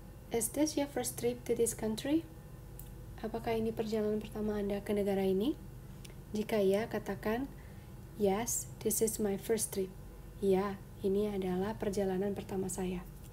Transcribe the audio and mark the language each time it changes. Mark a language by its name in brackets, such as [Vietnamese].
[English] Is this your first trip to this country? [Indonesian] Apakah ini perjalanan pertama Anda ke negara ini? Jika iya, katakan, [English] yes, this is my first trip. [Indonesian] Ya, ini adalah perjalanan pertama saya.